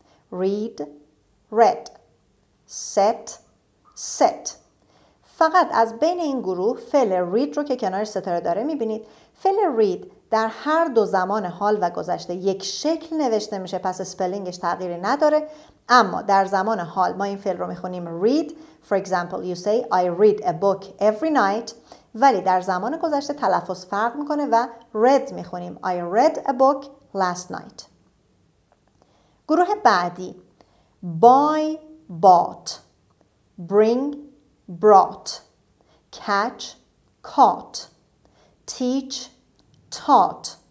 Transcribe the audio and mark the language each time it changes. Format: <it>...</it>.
<en>Read, read. Set, set.</en> <fa>فقط از بین این گروه فعل read رو که کنار ستاره داره میبینید. فعل read در هر دو زمان حال و گذشته یک شکل نوشته میشه، پس سپلینگش تغییری نداره. اما در زمان حال ما این فعل رو میخونیم read.</fa> <en>For example, you say I read a book every night.</en> <fa>ولی در زمان گذشته تلفظ فرق میکنه و read میخونیم.</fa> <en>I read a book last night.</en> <fa>گروه بعدی.</fa> <en>Buy, bought. Bring, brought. Catch, caught. Teach, taught.</en>